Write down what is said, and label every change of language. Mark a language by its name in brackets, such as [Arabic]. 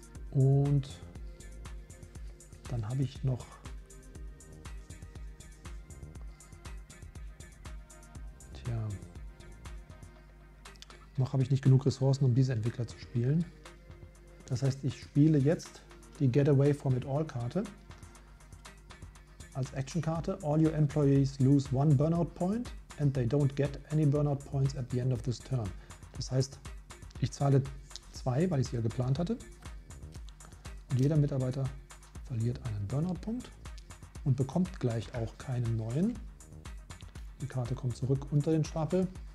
[German] Und dann habe ich noch noch habe ich nicht genug Ressourcen, um diese Entwickler zu spielen. Das heißt, ich spiele jetzt die Get Away From It All Karte als Action-Karte. [English] All your employees lose 1 Burnout Point and they don't get any Burnout Points at the end of this turn. [German] Das heißt, ich zahle 2, weil ich es ja geplant hatte. Und jeder Mitarbeiter verliert einen Burnout-Punkt und bekommt gleich auch keinen neuen. Die Karte kommt zurück unter den Stapel.